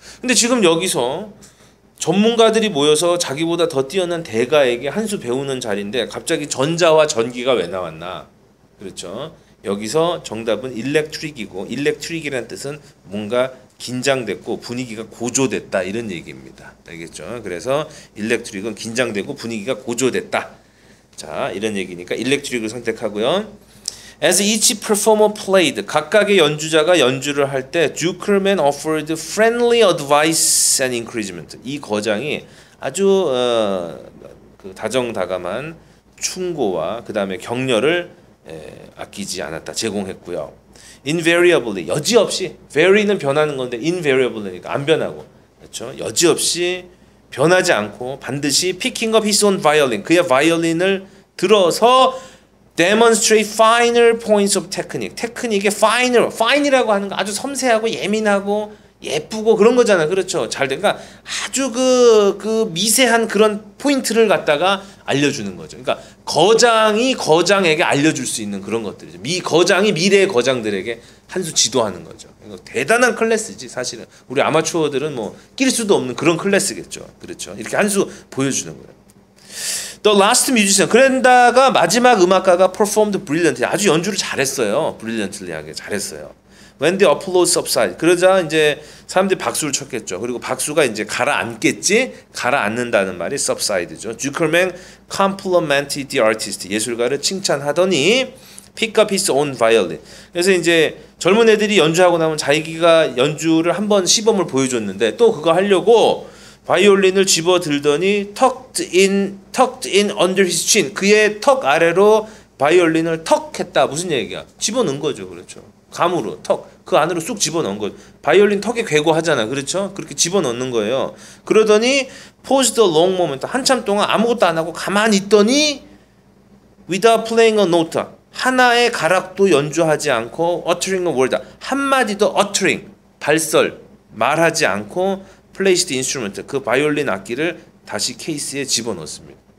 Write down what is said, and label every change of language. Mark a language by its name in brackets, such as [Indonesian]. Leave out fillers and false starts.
[Korean] 근데 지금 여기서 전문가들이 모여서 자기보다 더 뛰어난 대가에게 한수 배우는 자리인데 갑자기 전자와 전기가 왜 나왔나? 그렇죠? 여기서 정답은 일렉트릭이고 일렉트릭이라는 뜻은 뭔가 긴장됐고 분위기가 고조됐다 이런 얘기입니다. 알겠죠? 그래서 일렉트릭은 긴장되고 분위기가 고조됐다. 자, 이런 얘기니까 일렉트릭을 선택하고요. [English] As each performer played, [Korean] 각각의 연주자가 연주를 할 때 [English] Zukerman offered friendly advice and encouragement. [Korean] 이 거장이 아주 그 다정다감한 충고와 그 다음에 격려를 아끼지 않았다 제공했고요. Invariably 여지없이 very는 변하는 건데 invariably니까 안 변하고 그렇죠. 여지없이 변하지 않고 반드시 [English] picking up his own violin 그의 violin을 들어서 demonstrate finer points of technique. [Korean] technique의 finer fine이라고 하는 거 아주 섬세하고 예민하고 예쁘고 그런 거잖아 그렇죠. 잘 되니까 그러니까 아주 그 미세한 그런 포인트를 갖다가 알려주는 거죠. 그러니까 거장이 거장에게 알려줄 수 있는 그런 것들이죠. 거장이 미래의 거장들에게 한수 지도하는 거죠. 이거 대단한 클래스지 사실은. 우리 아마추어들은 뭐 낄 수도 없는 그런 클래스겠죠. 그렇죠. 이렇게 한수 보여주는 거예요. [English] The last musician. [Korean] 그랬다가 마지막 음악가가 [English] performed brilliantly. [Korean] 아주 연주를 잘했어요. brilliantly하게 잘했어요. [English] When the applause subsides. [Korean] 그러자 이제 사람들이 박수를 쳤겠죠. 그리고 박수가 이제 가라앉겠지? 가라앉는다는 말이 subside죠. [English] Zuckerman complimented the artist. [Korean] 예술가를 칭찬하더니 [English] pick up his own violin. [Korean] 그래서 이제 젊은 애들이 연주하고 나면 자기가 연주를 한번 시범을 보여줬는데 또 그거 하려고 바이올린을 집어들더니 [English] tucked in under his chin. [Korean] 그의 턱 아래로 바이올린을 턱 했다. 무슨 얘기야? 집어넣은 거죠. 그렇죠. 감으로 턱. 그 안으로 쑥 집어넣은 거죠. 바이올린 턱에 괴고 하잖아. 그렇죠? 그렇게 집어넣는 거예요. 그러더니 [English] pause the long moment. [Korean] 한참 동안 아무것도 안 하고 가만히 있더니 [English] without playing a note. [Korean] 하나의 가락도 연주하지 않고 [English] uttering a word. [Korean] 한마디도 uttering. 발설. 말하지 않고 [English] placed instrument. [Korean] 그 바이올린 악기를 다시 케이스에 집어넣습니다.